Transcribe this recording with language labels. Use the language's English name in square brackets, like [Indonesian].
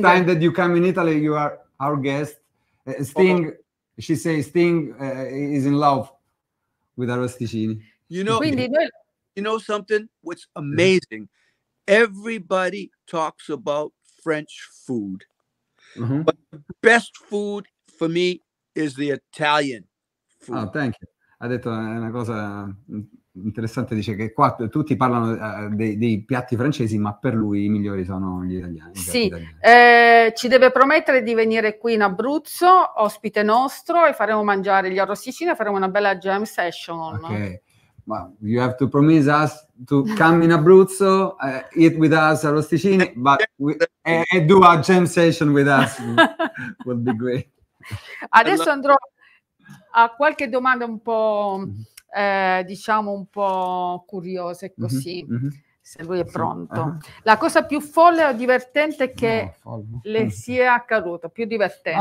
[English] The next time that you come in Italy, you are our guest. Sting, she says Sting is in love with arrosticini. You know, [Italian] quindi noi... [English] You know something? What's amazing? Everybody talks about French food. Mm-hmm. But the best food for me is the Italian food. Oh, thank you. [Italian] Ha detto una cosa interessante, dice che qua tutti parlano dei piatti francesi, ma per lui i migliori sono gli italiani. Sì, ci deve promettere di venire qui in Abruzzo, ospite nostro, e faremo mangiare gli arrosticini e faremo una bella jam session. Ok. [English] Well, you have to promise us to come in Abruzzo, eat with us arrosticini, but do a jam session with us. Would be great. [Italian] Adesso andrò a qualche domanda un po', diciamo, un po' curiosa, così, mm-hmm, mm-hmm, se lui è pronto. Uh-huh. La cosa più folle o divertente che le sia accaduta, più divertente.